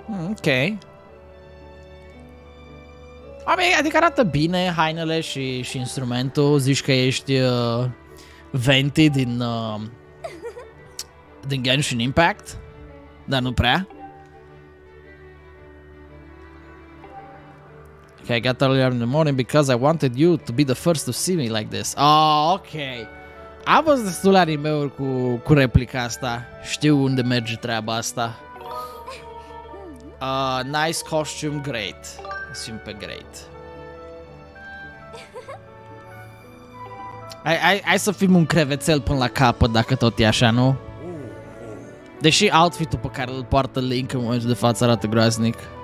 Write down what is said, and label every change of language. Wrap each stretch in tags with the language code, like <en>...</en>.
<ro>Ok. Adică arată bine hainele și instrumentul, zici că ești Venti din Genshin Impact, dar nu prea.</ro> <en>Ok, I got earlier in the morning because I wanted you to be the first to see me like this. Oh, ok.</en> <ro>Am văzut destul anime-uri cu replica asta, știu unde merge treaba asta.</ro> <en>Nice costume, great.</en> <ro>Simt pe</ro> <en>great.</en> <ro>Hai să fim un crevețel până la capăt, dacă tot e așa, nu? Deși outfit-ul pe care îl poartă Link în momentul de față arată groaznic.</ro>